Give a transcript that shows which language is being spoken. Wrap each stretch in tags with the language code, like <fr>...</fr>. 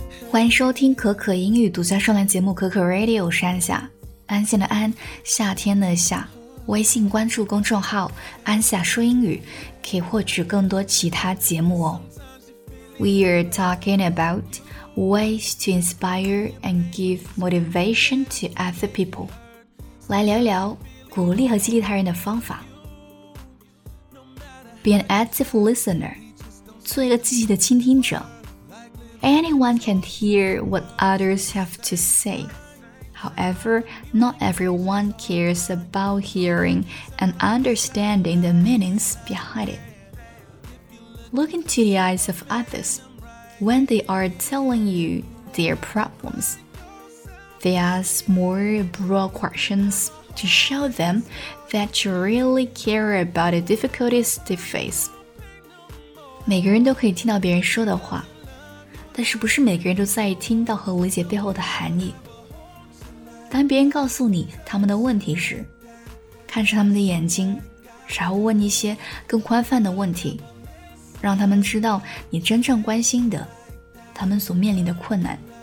<zh>欢迎收听可可英语独家商量节目可可 Radio， 我是安夏，安心的安，夏天的夏。微信关注公众号安夏说英语，可以获取更多其他节目哦。</zh> <en>We are talking about ways to inspire and give motivation to other people.</en> <zh>来聊一聊鼓励和激励他人的方法。</zh> <en>Be an active listener.</en> <zh>做一个积极的倾听者。</zh> <en>Anyone can hear what others have to say. However, not everyone cares about hearing and understanding the meanings behind it. Look into the eyes of others when they are telling you their problems. They ask more broad questions to show them that you really care about the difficulties they face.</en> <zh>每个人都可以听到别人说的话，但是不是每个人都在意听到和理解背后的含义。当别人告诉你他们的问题时，看着他们的眼睛，然后问一些更宽泛的问题，让他们知道你真正关心的他们所面临的困难。</zh>